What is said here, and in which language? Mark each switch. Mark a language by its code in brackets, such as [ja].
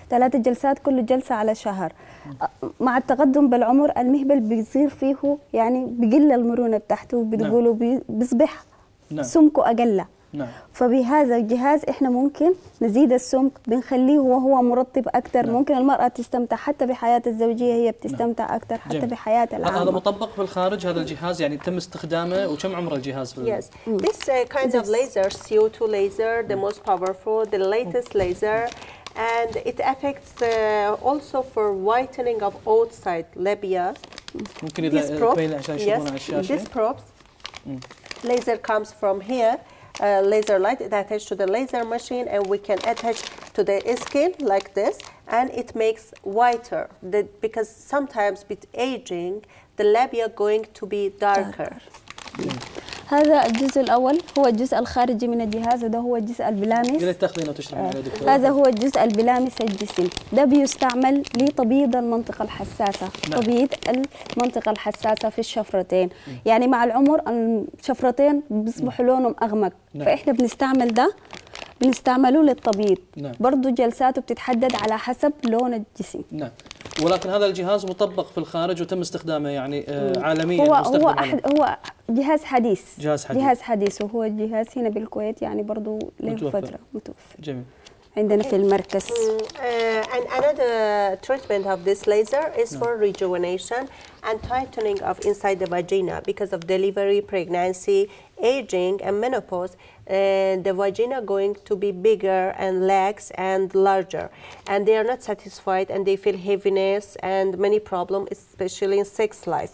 [ar] ثلاث جلسات كل جلسة على شهر. مع التقدم بالعمر المهبل بيصير فيه يعني بقل المرونة بتاعته، بتقوله بيصبح سمكه أقل. نعم. فبهذا الجهاز إحنا ممكن نزيد السمك، بنخليه وهو مرطب أكثر. ممكن المرأة تستمتع حتى بحياة الزوجية، هي بتستمتع أكثر حتى بحياة العامة. هذا مطبق في الخارج هذا الجهاز، يعني تم استخدامه وكم عمر الجهاز؟ [en] Yes. This kind of laser, CO2 laser, the most powerful, the latest laser, and it affects also for whitening of outside labia. [ar] ممكن إذا [en] This probes. Laser comes from here. Laser light is attached to the laser machine, and we can attach to the skin like this, and it makes whiter. That because sometimes with aging, the labia going to be darker. [ar] هذا الجزء الأول هو الجزء الخارجي من الجهاز، ده هو الجزء البلامس. قلت تأخذينه وتشرحينه يا دكتور. هذا هو الجزء البلامس الجسم، ده بيستعمل لتبييض المنطقة الحساسة. نعم. تبييض المنطقة الحساسة في الشفرتين. يعني مع العمر الشفرتين بيصبحوا لونهم أغمق. نعم. فإحنا بنستعمل ده، بنستعمله للتبييض. نعم. برضو جلساته بتتحدد على حسب لون الجسم. نعم. ولكن هذا الجهاز مطبق في الخارج وتم استخدامه يعني عالميا. هو جهاز حديث. جهاز حديث وهو الجهاز هنا بالكويت يعني برضو له فترة متوفر. جميل. عندنا في المركز. [en] And another treatment of this laser is for rejuvenation and tightening of inside the vagina because of delivery, pregnancy, aging and menopause. The vagina going to be bigger and lax and larger, and they are not satisfied and they feel heaviness and many problems, especially in sex life.